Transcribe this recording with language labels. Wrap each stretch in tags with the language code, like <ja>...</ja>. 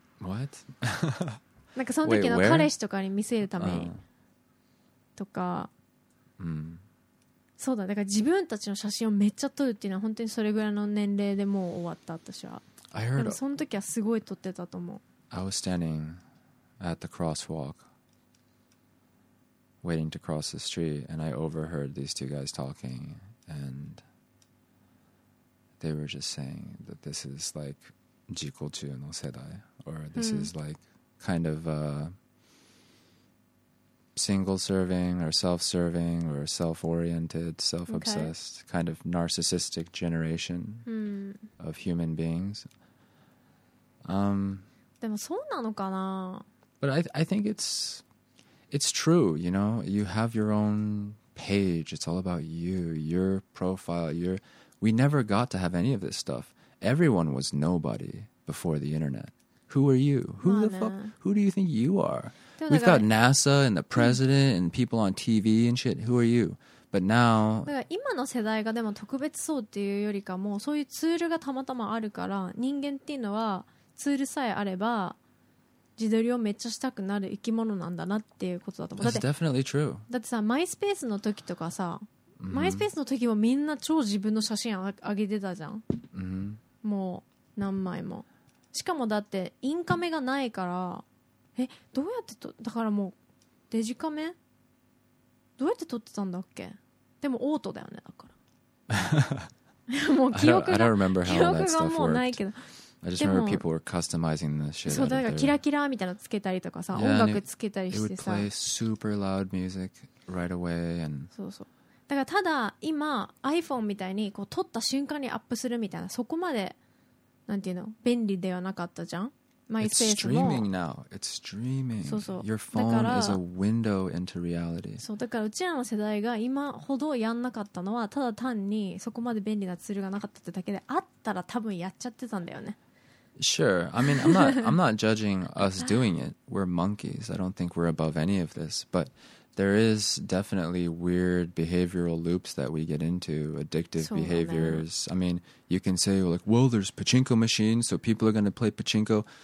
<en>What?</en> <ja>なんかその時の彼氏とかに見せるためにとか、そうだ、だから自分たちの写真をめっちゃ撮るっていうのは本当にそれぐらいの年齢でもう終わった、私は。</ja> <en>I heard</en> <ja>でもその時はすごい撮ってたと思う。</ja> <en>I was standing at the crosswalk waiting to cross the street and I overheard these two guys talking andThey were just saying that this is like</en> <ja>Jikochu no Sedai,</ja> <en>or this is like kind of single serving or self serving or self oriented, self obsessed、okay. kind of narcissistic generation、of human beings.</en> <ja>でもそうなのかな?</ja> <en>But I think it's true, you know? You have your own page, it's all about you, your profile, your. We never got to have any of this stuff. Everyone was nobody before the internet. Who are you? Who the fuck? Who do you think you are? We've got NASA and the president and people on TV and shit. Who are you? But now...</en> <ja>今の世代がでも特別そうっていうよりかも、そういうツールがたまたまあるから、人間っていうのはツールさえあれば、自撮りをめっちゃしたくなる生き物なんだなっていうことだと思う。</ja> <en>That's definitely true.</en> <ja>だってさ、マイスペースの時とかさ、マイスペースの時もみんな超自分の写真あげてたじゃん。 Mm-hmm. もう何枚も。しかもだってインカメがないから、え、どうやってと、だからもうデジカメ？どうやって撮ってたんだっけ？でもオートだよねだから。もう記憶が、記憶がもうないけど。</ja> <en>I just remember people were customizing the shit.</en> <ja>そうだからキラキラみたいなのつけたりとかさ、</ja> <en>yeah,</en> <ja>音楽つけたりしてさ。</ja> <en>It would play super loud music right away and.</en> <ja>そうそう。だからただ今 iPhone みたいにこう撮った瞬間にアップするみたいな、そこまでなんていうの便利ではなかったじゃん。</ja> <en>It's streaming now. It's streaming.</en> <ja>そうそう。</ja> <en>Your phone is a window into reality.</en> <ja>そう、だからうちらの世代が今ほどやんなかったのは、ただ単にそこまで便利なツールがなかったってだけで、あったら多分やっちゃってたんだよね。</ja> <en>Sure. I mean, I'm not judging us doing it. We're monkeys. I don't think we're above any of this. But there is definitely weird behavioral loops that we get into, addictive behaviors. I mean, you can say, like, well, there's pachinko machines, so people are going to play pachinko.</en>